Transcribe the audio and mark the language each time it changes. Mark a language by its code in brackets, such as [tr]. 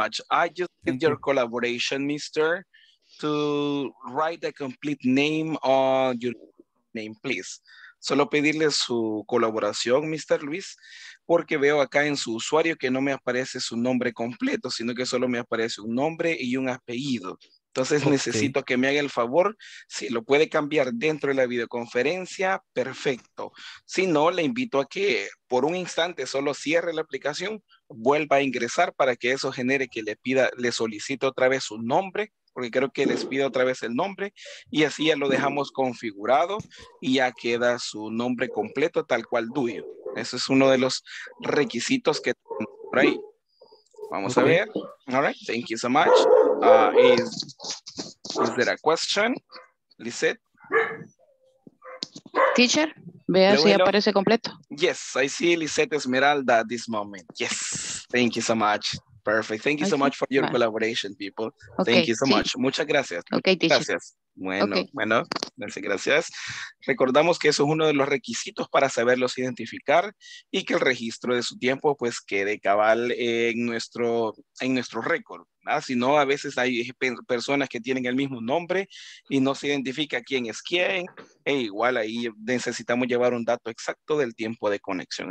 [en] I just need your collaboration, mister, to write the complete name on your name, please. [es] Solo pedirle su colaboración, Mr. Luis, porque veo acá en su usuario que no me aparece su nombre completo, sino que solo me aparece un nombre y un apellido. Entonces necesito que me haga el favor, si lo puede cambiar dentro de la videoconferencia, perfecto. Si no, le invito a que por un instante solo cierre la aplicación, vuelva a ingresar para que eso genere que le solicite otra vez su nombre, porque creo que les pide otra vez el nombre, y así ya lo dejamos configurado y ya queda su nombre completo tal cual tuyo. Ese es uno de los requisitos que tenemos por ahí. Vamos a ver. [en] All right, thank you so much. Is there a question, Lisette? [es] Teacher, vea si aparece completo. [en] Yes, I see Lisette Esmeralda at this moment. Yes, thank you so much. Perfect, thank you so much for your collaboration, people. Okay. Thank you so much. [es] Muchas gracias. [en] Okay, teacher. [es] Gracias. Bueno, gracias. Recordamos que eso es uno de los requisitos para saberlos identificar y que el registro de su tiempo pues quede cabal en nuestro récord. Si no, a veces hay personas que tienen el mismo nombre y no se identifica quién es quién, e igual ahí necesitamos llevar un dato exacto del tiempo de conexión.